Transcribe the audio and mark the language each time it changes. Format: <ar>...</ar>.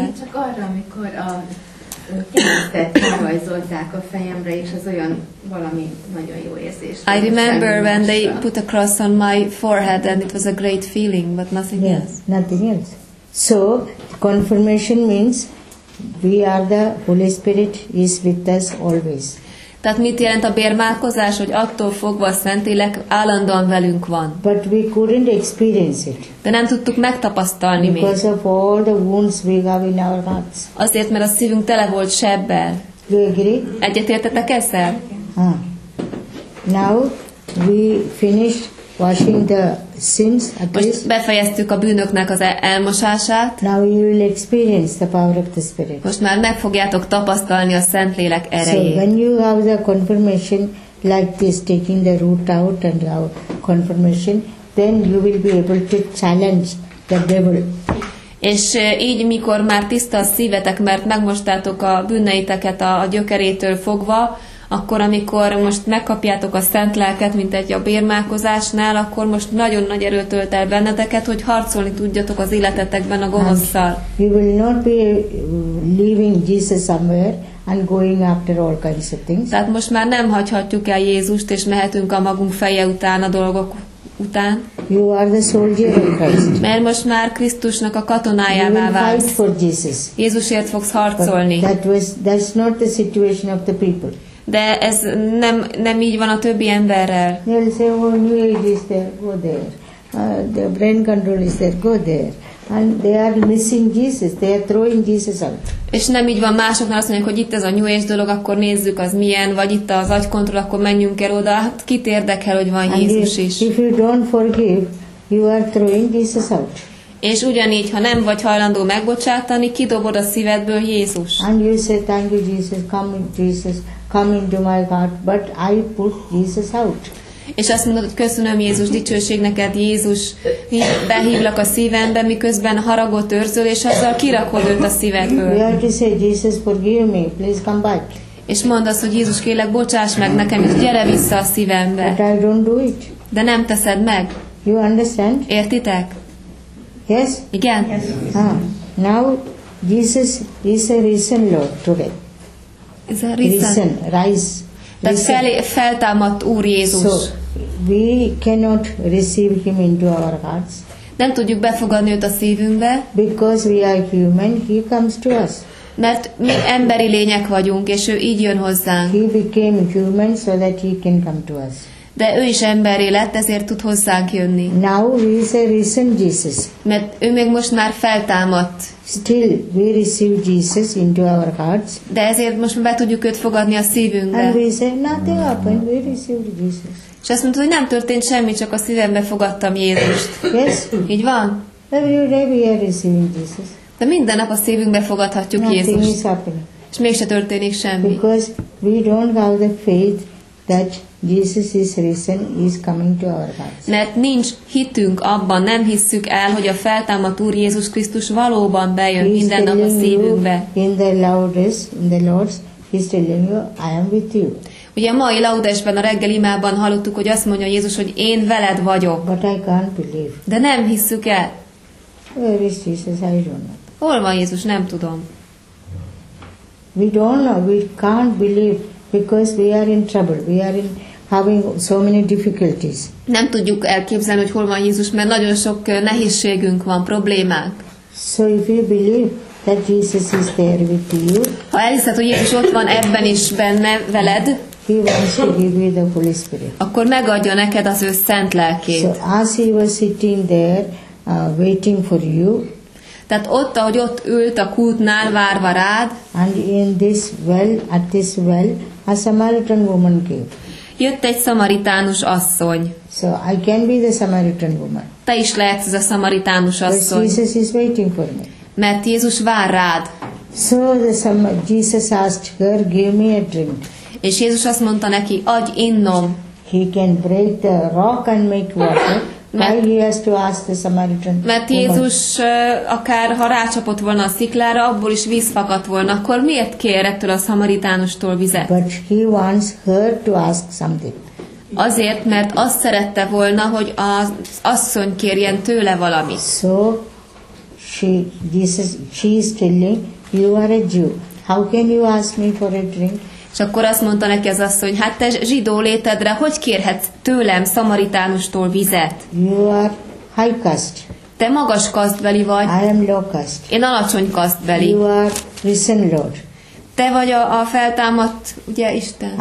<hu>Én csak arra, amikor a keresztet rajzolták a fejemre, és az olyan valami nagyon jó érzés.</hu> <en>I remember when they put a cross on my forehead and it was a great feeling, but nothing else. Nothing else. So, confirmation means we are the Holy Spirit is with us always.</en> <hu>Tehát mit jelent a bérmálkozás, hogy attól fogva a Szentlélek állandóan velünk van.</hu> <en>But we couldn't experience it.</en> <hu>De nem tudtuk megtapasztalni még.</hu> <en>Because of all the wounds we have in our hearts.</en> <hu>Azért, mert a szívünk tele volt sebbel.</hu> <en>You agree?</en> <hu>Egyetértetek ezzel?</hu> <en>Now we finish washing the sins.</en> <hu>Most befejeztük a bűnöknek az elmosását.</hu> <en>Now you will experience the power of the Spirit.</en> <hu>Most már meg fogjátok tapasztalni a Szentlélek erejét.</hu> <en>So when you have the confirmation like this, taking the root out and have confirmation, then you will be able to challenge the devil.</en> <hu>És így, mikor már tiszta a szívetek, mert megmostátok a bűneiteket a gyökerétől fogva, akkor, amikor most megkapjátok a Szent Lelket, mint egy a bérmálkozásnál, akkor most nagyon nagy erőt tölt el benneteket, hogy harcolni tudjatok az életetekben a gonoszszal.</hu> <en>We will not be leaving Jesus somewhere and going after all kinds of things.</en> <hu>Tehát most már nem hagyhatjuk el Jézust, és mehetünk a magunk feje után a dolgok után.</hu> <en>You are the soldier of Christ.</en> <hu>Mert most már Krisztusnak a katonájává válsz.</hu> <en>You will fight for Jesus.</en> <hu>Jézusért fogsz harcolni.</hu> <en>That's not the situation of the people.</en> <hu>De ez nem így van a többi emberrel.</hu> <en>They'll say, oh, New Age is there, go there. The brain control is there, go there. And they are missing Jesus, they are throwing Jesus out.</en> <hu>És nem így van másoknál, azt mondják, hogy itt ez a New Age dolog, akkor nézzük az milyen, vagy itt az agykontroll, akkor menjünk el oda. Hát kit érdekel, hogy van</hu> <en>and</en> <hu>Jézus is.</hu> <en>If you don't forgive, you are throwing Jesus out.</en> <hu>És ugyanígy, ha nem vagy hajlandó megbocsátani, kidobod a szívedből Jézus.</hu> <en>And you say, thank you Jesus, come in Jesus. Come into my heart, but I put Jesus out.</en> <hu>És azt mondod, hogy köszönöm Jézus, dicsőség neked Jézus, behívlak a szívembe, miközben haragot őrzöl, és azzal kirakod őt a szívedből.</hu> <en>You have to say, Jesus, forgive me, please come back.</en> <hu>És mondd azt, hogy Jézus, kérlek, bocsáss meg nekem, és gyere vissza a szívembe.</hu> <en>But I don't do it.</en> <hu>De nem teszed meg.</hu> <en>You understand?</en> <hu>Értitek?</hu> <en>Yes?</en> <hu>Igen?</hu> <en>Yes. Now, Jesus is a risen Lord today. Risen, rise.</en> <hu>Tehát feltámadt Úr Jézus.</hu> <en>So, we cannot receive him into our hearts.</en> <hu>Nem tudjuk befogadni őt a szívünkbe.</hu> <en>Because we are human, he comes to us.</en> <hu>Mert mi emberi lények vagyunk, és ő így jön hozzánk.</hu> <en>He became human so that he can come to us.</en> <hu>De ő is emberi lett, ezért tud hozzánk jönni.</hu> <en>Now he is a risen Jesus.</en> <hu>Mert ő még most már feltámadt.</hu> <en>Still we receive Jesus into our hearts.</en> <hu>De ezért most be tudjuk őt fogadni a szívünkbe.</hu> <en>And we say nothing happened, we received Jesus.</en> <hu>És azt mondta, hogy nem történt semmi, csak a szívembe fogadtam Jézust.</hu> <en>Yes.</en> <hu>Így van?</hu> <en>Every day we are receiving Jesus.</en> <hu>De minden nap a szívünkbe fogadhatjuk</hu> <en>nothing</en> <hu>Jézust.</hu> <en>Is happening.</en> <hu>És mégse történik semmi.</hu> <en>Because we don't have the faith that Jesus is risen, is coming to our hearts.</en> <hu>Mert nincs hitünk abban, nem hisszük el, hogy a feltámadt Úr Jézus Krisztus valóban bejön minden nap a szívünkbe.</hu> <en>In the Laudes, in the Lord's, he's telling you, I am with you.</en> <hu>Ugye a mai Laudesben, a reggeli imában hallottuk, hogy azt mondja Jézus, hogy én veled vagyok.</hu> <en>But I can't believe.</en> <hu>De nem hisszük el.</hu> <en>Where is Jesus? I don't know.</en> <hu>Hol van Jézus? Nem tudom.</hu> <en>We don't know, we can't believe. Because we are in trouble, we are in having so many difficulties.</en> <hu>Nem tudjuk elképzelni, hogy hol van Jézus, mert nagyon sok nehézségünk van, problémák.</hu> <en>So if you believe that Jesus is there with you,</en> <hu>ha elhiszed, hogy Jézus ott van ebben is benne veled,</hu> <en>he wants to give you the Holy Spirit.</en> <hu>Akkor megadja neked az ő szent lelkét.</hu> <en>So as he was sitting there, waiting for you.</en> <hu>Tehát ott, ahogy ott ült a kútnál, várva rád.</hu> <en>And in this well, at this well, a Samaritan woman came.</en> <hu>Jött egy szamaritánus asszony.</hu> <en>So I can be the Samaritan woman.</en> <hu>Te is lehetsz ez a szamaritánus asszony.</hu> <en>Because Jesus is waiting for me.</en> <hu>Mert Jézus vár rád.</hu> <en>So Jesus asked her, give me a drink.</en> <hu>És Jézus azt mondta neki, adj innom.</hu> <en>He can break the rock and make water. Why he has to ask the Samaritan?</en> <hu>Mert Jézus akár ha rácsapott volna a sziklára, abból is víz fakadt volna, akkor miért kér ettől a szamaritánustól vizet?</hu> <en>But he wants her to ask something.</en> <hu>Azért, mert azt szerette volna, hogy az asszony kérjen tőle valamit.</hu> <en>So she is telling, you are a Jew. How can you ask me for a drink?</en> <hu>És akkor azt mondta neki az asszony, hát te zsidó létedre, hogy kérhetsz tőlem, szamaritánustól vizet?</hu> <en>You are high caste.</en> <hu>Te magas kasztbeli vagy.</hu> <en>I am low caste.</en> <hu>Én alacsony kasztbeli.</hu> <en>You are risen Lord.</en> <hu>Te vagy a feltámadt, ugye, Isten?</hu>